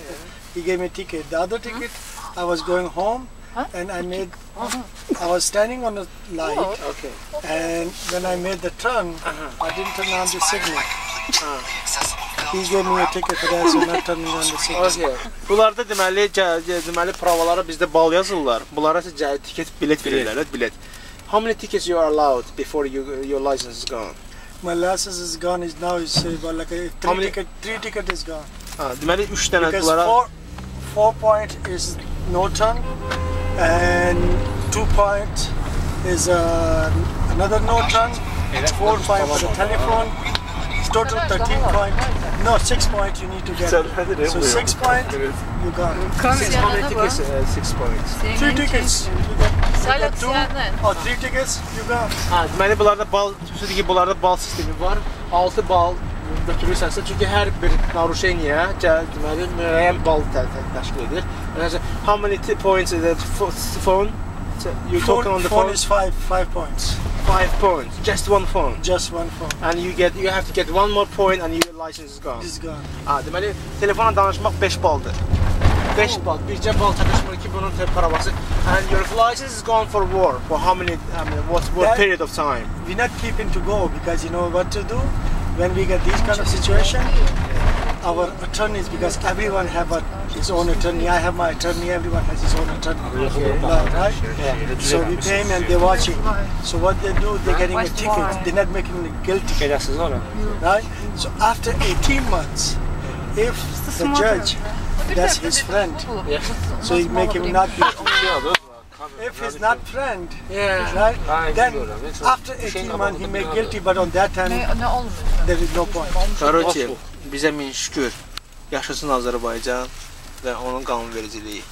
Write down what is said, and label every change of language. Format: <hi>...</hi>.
<en>yeah. He gave me a ticket. The other ticket, I was going home and I made I was standing on the light. Okay. Okay. And when I made the turn, I didn't turn on the signal. He gave me a ticket for that, so not turning on the signal. Okay.</en> <az>Bunlarda deməli provalara bizdə bal yazırlar. Bunlara isə ticket bilet verirlər, bilet.</az> <en>How many tickets you are allowed before your license is gone? My license is gone is now is about like three ticket is gone.</en> <az>Deməli 3 dənə bunlara.</az> <en>Because 4 point is no turn and 2 point is another no turn. 4 point for the telephone. Total 13 point, no 6 point you need to get. So 6 point, you got. 6 point tickets, 6 points. 3 tickets, you got. 3 tickets, you got.</en> <az>Deməli, bunlarda bal, sözü ki, bunlarda bal sistemi var. 6 bal götürürsənsə, çünki hər bir narusheniya, deməli, müəyyən bal təşkil edir.</az> <en>How many points is that phone? You're talking on the phone? Phone is 5 points. 5 points. Just one phone. Just one phone. And you have to get one more point and your license is gone. It's gone.</en> <az>Deməli telefona danışmaq 5 baldır. 5 bal. Bircə bal çatışmır ki bunun parası.</az> <en>And your license is gone for war. For how many, what period of time? We're not keeping to go because you know what to do? When we get these kind of situation, our attorneys, because everyone have his own attorney. I have my attorney, everyone has his own attorney. Okay. Right? Yeah. So we pay him and they watch him. So what they do, they're getting a ticket. They're not making him guilty. Right? So after 18 months, if the judge, that's his friend, so he make him not guilty. If he's not friend, right? Then after 18 months, he make guilty, but on that time, there is no point.</en> <az>Bizə min şükür, yaşasın Azərbaycan və onun qanunvericiliyi.</az>